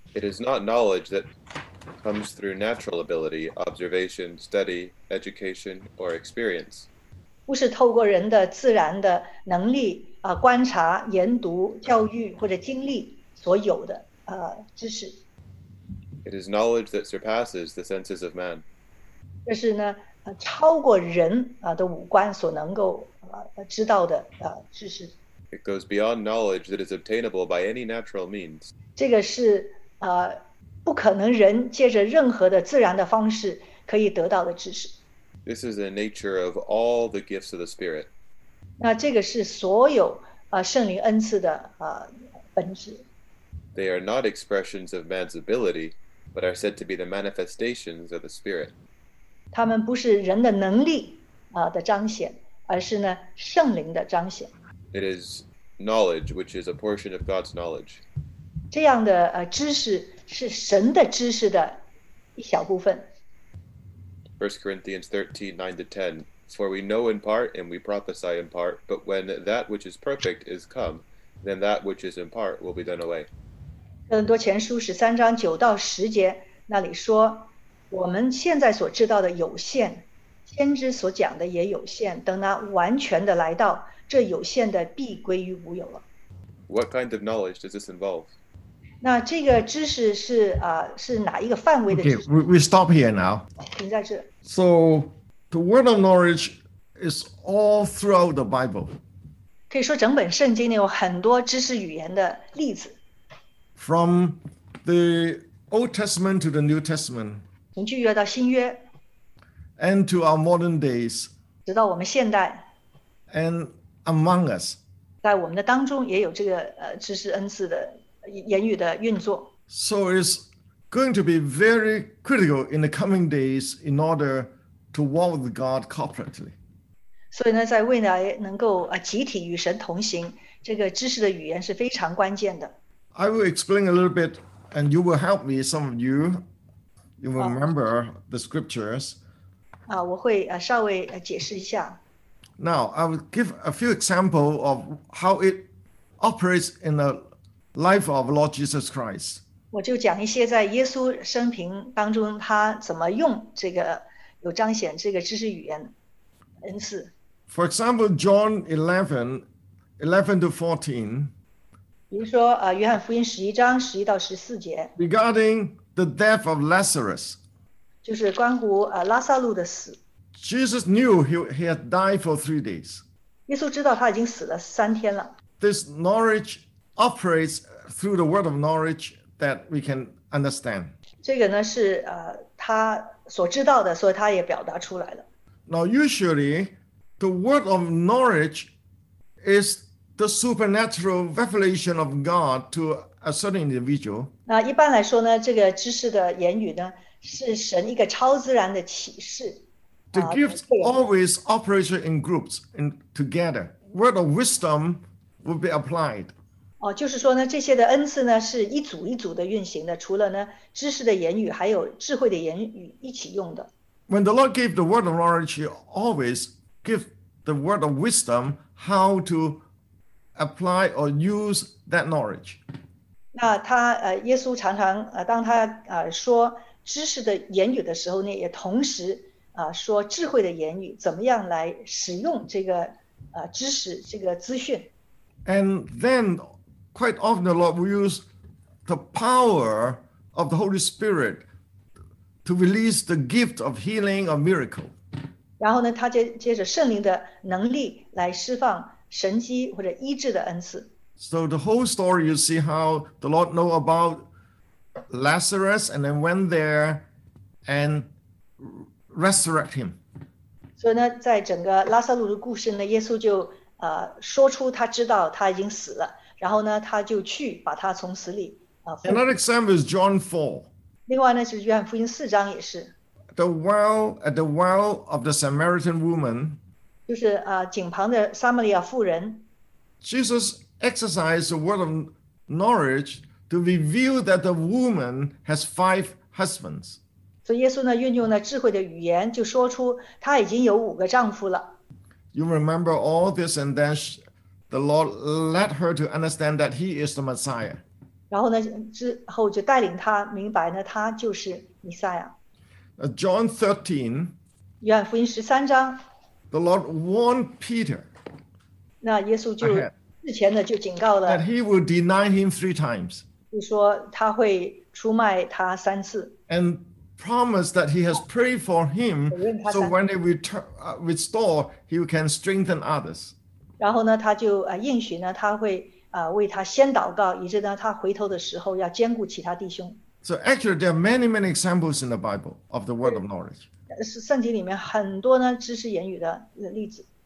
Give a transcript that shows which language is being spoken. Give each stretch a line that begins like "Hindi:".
English: It is not knowledge that comes through natural ability, observation, study, education, or experience.
Chinese: 不是透过人的自然的能力观察、研读、教育或者经历所有的知识。
English: It is knowledge that surpasses the senses of man.
Chinese: 这是呢超过人的五官所能够知道的知识。
English: It goes beyond knowledge that is obtainable by any natural means.
Chinese: 这个是不可能人借着任何的自然的方式可以得到的知识。
English: This is the nature of all the gifts of the Spirit.
Chinese: 那这个是所有圣灵恩赐的本质。
English: They are not expressions of man's ability, but are said to be the manifestations of the Spirit.
Chinese: 他们不是人的能力的彰显，而是呢圣灵的彰显。
English: It is knowledge, which is a portion of God's knowledge.
Chinese: 这样的知识是神的知识的一小部分。
English: 1 Corinthians 13:9-10, For we know in part, and we prophesy in part, but when that which is perfect is come, then that which is in part will be done away.
Chinese: 哥林多前书13:9-10那里说，我们现在所知道的有限，先知所讲的也有限，等那完全的来到，这有限的必归于无有了。
English: What kind of knowledge does this involve?
Chinese: 那这个知识是是哪一个范围的知识？
English: Okay, we stop here now.
Chinese: 停在这。
English: So the word of knowledge is all throughout the Bible.
Chinese: 可以说整本圣经有很多知识语言的例子。
English: From the Old Testament to the New Testament.
Chinese: 从旧约到新约。
English: And to our modern days.
Chinese: 直到我们现代。
English: And among us.
Chinese: 在我们的当中也有这个知识恩赐的言语的运作。
English: So it's going to be very critical in the coming days in order to walk with God corporately.
Chinese: 所以呢，在未来能够集体与神同行，这个知识的语言是非常关键的。
English: I will explain a little bit, and you will help me. Some of you, you will remember the scriptures.
Chinese: 我会稍微解释一下。
English: Now, I will give a few examples of how it operates in the life of Lord Jesus Christ.
Chinese: 我就讲一些在耶稣生平当中他怎么用这个有彰显这个知识语言恩赐。
English: For example, John 11:11-14.
Chinese: 比如说约翰福音11:11-14.
English: Regarding the death of Lazarus.
Chinese: 就是关乎拉撒路的死。
English: Jesus knew he had died for 3 days.
Chinese: 耶稣知道他已经死了三天了。
English: This knowledge operates through the word of knowledge that we can understand.
Chinese: 这个呢是他所知道的，所以他也表达出来了。
English: Now usually, the word of knowledge is the supernatural revelation of God to a certain individual.
Chinese: 那一般来说呢，这个知识的言语呢，是神一个超自然的启示。
English: The gifts always operate in groups, in together. Word of wisdom will be applied.
Chinese: 就是说呢，这些的恩赐呢，是一组一组的运行的，除了呢，知识的言语，还有智慧的言语一起用的。
English: When the Lord gave the word of knowledge, he always gave the word of wisdom how to apply or use that knowledge.
Chinese: 那他耶稣常常当他说知识的言语的时候呢，也同时说智慧的言语，怎么样来使用这个知识这个资讯。
English: And then quite often the Lord will use the power of the Holy Spirit to release the gift of healing or miracle.
Chinese: 然后呢，他接着圣灵的能力来释放神迹或者医治的恩赐。
English: So the whole story, you see how the Lord know about Lazarus and then went there and resurrect him.
Chinese: 所以呢，在整个拉撒路的故事呢，耶稣就说出他知道他已经死了，然后呢，他就去把他从死里
English: Another example is John 4.
Chinese: 另外呢，就是约翰福音四章也是。
English: The well at the well of the Samaritan woman.
Chinese: 就是井旁的撒玛利亚妇人。
English: Jesus exercised the word of knowledge to reveal that the woman has 5 husbands.
Chinese: 所以耶稣呢，运用了智慧的语言，就说出她已经有5个丈夫了。
English: You remember all this, and then the Lord led her to understand that He is the Messiah.
Chinese: 然后呢，之后就带领她明白呢，他就是弥赛亚。
English: John 13,
Chinese: 约翰福音十三章
English: ，The Lord warned Peter.
Chinese: 那耶稣就事前呢就警告了
English: that He will deny Him 3 times.
Chinese: 就说他会出卖他三次。
English: And promise that he has prayed for him, so when they restore, he can strengthen others.
Chinese: 然后呢，他就应许呢，他会为他先祷告，以致呢他回头的时候要坚固其他弟兄。
English: So actually, there are many, many examples in the Bible of the word of knowledge.
Chinese: 是圣经里面很多呢知识言语的例子。